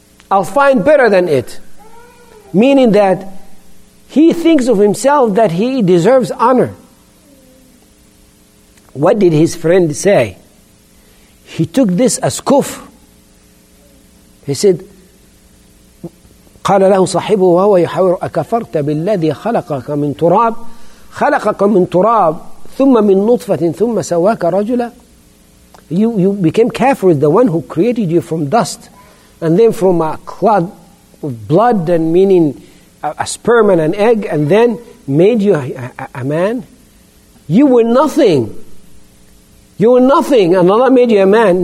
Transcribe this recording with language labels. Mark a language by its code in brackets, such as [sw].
[en] I'll find better than it. Meaning that he thinks of himself that he deserves honor. What did his friend say? He took this as kufr. He said, [ar] قال له صاحبه وهو يحاور: أكفرت بالذي خلقك من تراب؟ خلقك من تراب ثم من نطفة ثم سواك رجلا. [en] You became kafir, the one who created you from dust and then from a clod of blood, and meaning a sperm and an egg, and then made you a man. You were nothing. You were nothing, and Allah made you a man.